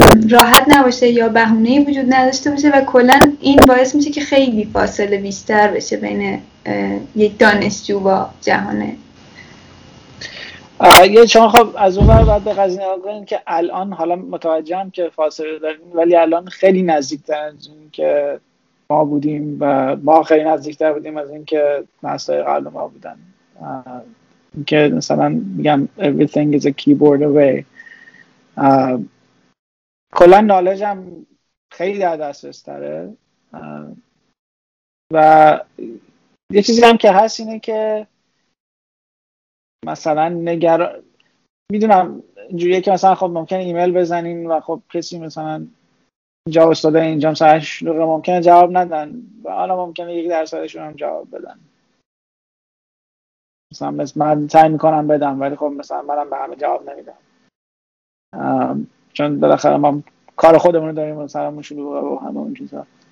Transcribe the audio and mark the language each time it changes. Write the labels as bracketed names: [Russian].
[Persian] راحت نباشه یا بهونه‌ای وجود نداشته باشه و کلا این باعث میشه که خیلی فاصله بیشتر بشه بین یک دانشجو و جهانه. یه چون خب از اون بر باید به قضیه آگاهیم که الان حالا متوجهم که فاصله داریم، ولی الان خیلی نزدیکتر از این که ما بودیم و ما خیلی نزدیکتر بودیم از این که نسل قبل ما بودن. که مثلا میگم [English] everything is a keyboard away. [Persian] کلا نالج هم خیلی در دسترس تره. و یه چیزی هم که هست اینه که مثلا میدونم اینجوریه که مثلا خب ممکنه ایمیل بزنین و خب کسی مثلا جواب استاده اینجا سرش رو ممکنه جواب ندن و حالا ممکنه یک درصدشون هم جواب بدن، مثلا من سعی میکنم بدم ولی خب مثلا منم به همه جواب نمیدم، چون بالاخره ما کار خودمون رو داریم و سرمون شلوغه و همه اون چیزا.